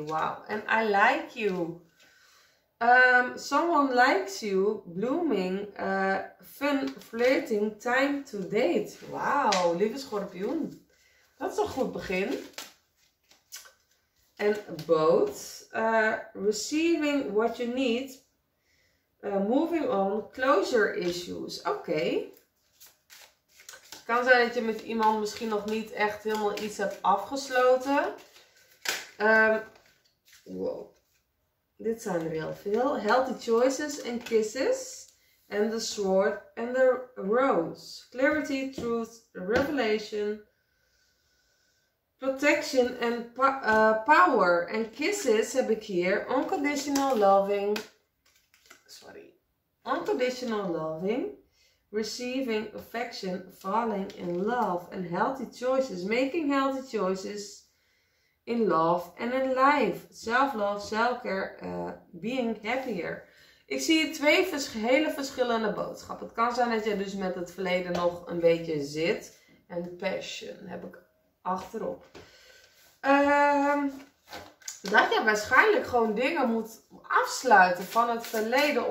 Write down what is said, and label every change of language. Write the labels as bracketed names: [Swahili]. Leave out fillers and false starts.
[English] Wow, and I like you. Someone likes you, blooming, fun, flirting, time to date. [Dutch] Wauw, lieve schorpioen. Dat is een goed begin. [English] En boat, receiving what you need, moving on, closure issues. [Dutch] Oké. Het kan zijn dat je met iemand misschien nog niet echt helemaal iets hebt afgesloten. Dit zijn er heel veel. [English] Healthy choices and kisses. And the sword and the rose. Clarity, truth, revelation. Protection and power. And kisses [Dutch] heb ik hier. [English] Unconditional loving. Sorry. Unconditional loving. Receiving affection. Falling in love. And healthy choices. Making healthy choices. In love and in life. Self-love, self-care, being happier. [Dutch] Ik zie twee hele verschillende boodschappen. Het kan zijn dat je dus met het verleden nog een beetje zit. En passion heb ik achterop. Dat je waarschijnlijk gewoon dingen moet afsluiten van het verleden.